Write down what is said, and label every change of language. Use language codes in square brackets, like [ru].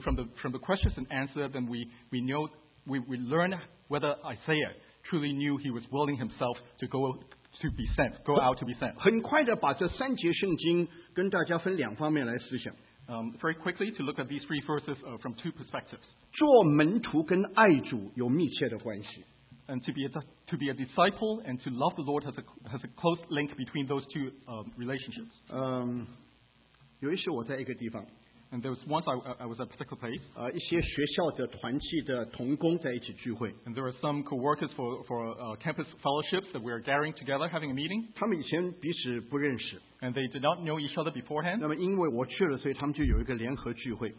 [en] from the questions and answer, then we learn whether Isaiah truly knew he was willing himself to go out to be sent. [zh] 很快的把这三节圣经跟大家分两方面来思想。 [en] Very quickly to look at these three verses from two perspectives. [zh] 做门徒跟爱主有密切的关系。 [en] And to be a disciple and to love the Lord has a close link between those two relationships. [zh] 有一次我在一个地方。 [en] And there was once I was at a particular place. [zh] 一些学校的团契的同工在一起聚会。 [en] And there were some co-workers for campus fellowships that we were gathering together, having a meeting. [zh] 他们以前彼此不认识。 [en] And they did not know each other beforehand. [zh] 那么因为我去了，所以他们就有一个联合聚会。